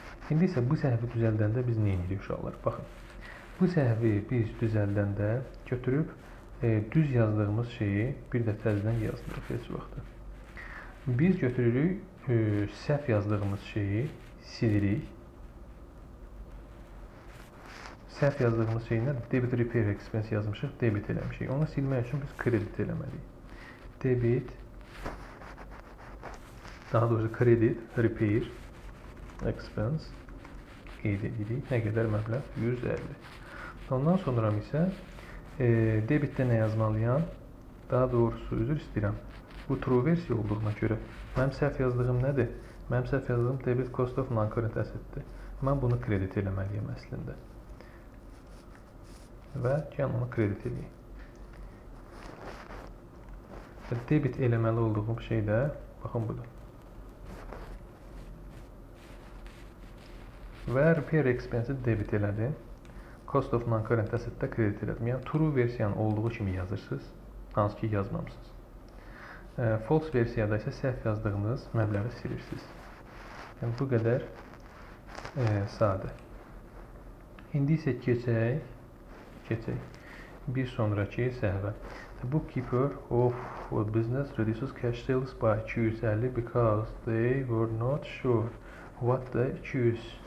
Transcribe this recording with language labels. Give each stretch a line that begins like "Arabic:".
Azerbaijani: İndi isə bu səhvi düzəldəndə biz nəyə edirik şalır? Baxın, bu səhvi biz düzəldəndə götürüb düz yazdığımız şeyi bir də təzədən yazdırıq heç vaxtı. Biz götürürük, səhv yazdığımız şeyi silirik. Səhv yazdığımız şeyinə debit repair expense yazmışıq, debit eləmişik. Onu silmək üçün biz kredit eləməliyik. Debit, daha doğrusu kredit, repair, expense qeyd edirik. Nə qədər məbləğ? 150. Ondan sonra isə debitdə nə yazmalıyam? Daha doğrusu, üzr istəyirəm, bu true versiya olduğuna görə mənim səhv yazdığım nədir? Mənim səhv yazdığım debit cost of non-current asset-dir. Mən bunu kredit eləməliyəm əslində. Və gəlin onu kredit eləyəm. Və debit eləməli olduğum şey də, baxın budur. Və repair expense-i debit elədim. Cost of non-current asset-də kredit elədim. Yəni, true versiyanın olduğu kimi yazırsınız, hansı ki yazmamışsınız. False versiyada isə səhv yazdığınız məbləği silirsiniz. Yəni, bu qədər sadə. İndi isə keçək bir sonraki səhvə.
English: The bookkeeper of a business reduces cash sales by 250 because they were not sure what they choose.